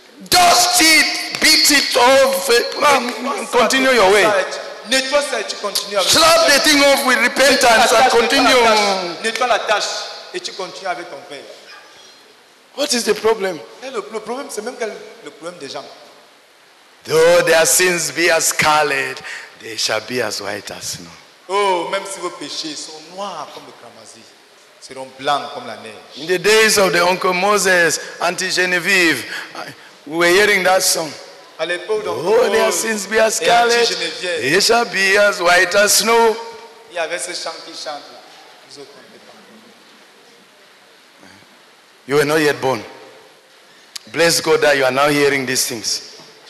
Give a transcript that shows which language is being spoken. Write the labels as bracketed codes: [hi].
[en] Dust it, beat it off, and continue your way. [fr] Nettoie ça et tu continues avec. [en] Slap the thing off with repentance and continue. [fr] Nettoie la tâche et tu continues avec ton père. [en] What is the problem? [fr] Le problème, c'est même le problème des gens. [en] Though their sins be as scarlet, they shall be as white as snow. [fr] Oh, même si vos péchés sont noirs comme le cramoisi, seront blancs comme la neige. [en] In the days of the Uncle Moses, Auntie Genevieve, we were hearing that song. [fr] À l'époque, [en] oh, their sins be as scarlet, they shall be as white as snow. [fr] Il y avait ce chant qui chante là. [en] You were not yet born. Bless God that you are now hearing these things.